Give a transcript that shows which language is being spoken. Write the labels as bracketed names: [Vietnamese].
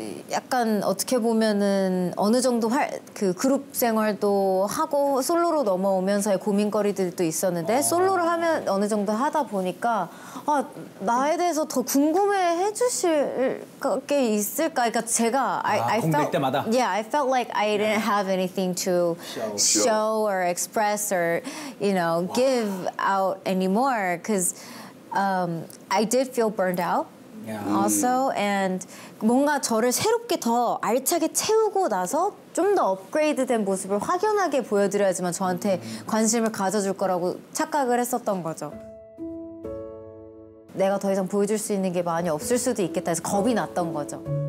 [Korean] 약간 어떻게 보면은 어느 정도 그 그룹 생활도 하고 솔로로 넘어오면서의 고민거리들도 있었는데 솔로를 하면 어느 정도 하다 보니까 아 나에 대해서 더 궁금해 해주실 게 있을까? 그러니까 제가 공백 때마다 [English] yeah I felt like I didn't have anything to show or express or you know give out anymore because I did feel burned out. Yeah. Also, and [Korean] 뭔가 저를 새롭게 더 알차게 채우고 나서 좀 더 업그레이드된 모습을 확연하게 보여드려야지만 저한테 관심을 가져줄 거라고 착각을 했었던 거죠. 내가 더 이상 보여줄 수 있는 게 많이 없을 수도 있겠다 해서 겁이 났던 거죠.